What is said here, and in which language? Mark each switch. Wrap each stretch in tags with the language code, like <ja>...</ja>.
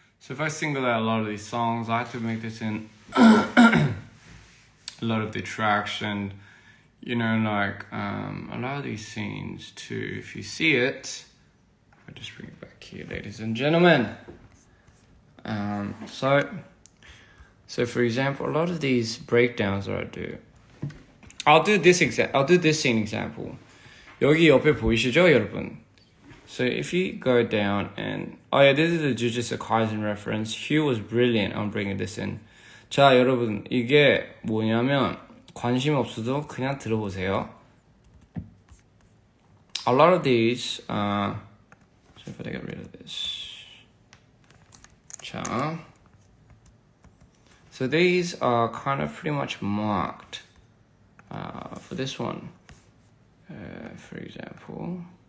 <en>If I single out a lot of these songs, I have to make this in a lot of the tracks and, you know, like, a lot of these scenes too. If you see it, I'll just bring it back here, ladies and gentlemen. So for example, a lot of these breakdowns that I do, I'll do this scene example.</en> <ko>여기 옆에 보이시죠, 여러분?</ko> <en>So if you go down and, oh yeah, this is the Jujutsu Kaisen reference. Hugh was brilliant on bringing this in.</en> <ko>자, 여러분, 이게 뭐냐면 관심 없어도 그냥 들어보세요.</ko> <en>A lot of these, so if I get rid of this. 자, so these are kind of pretty much marked for this one, for example.</en>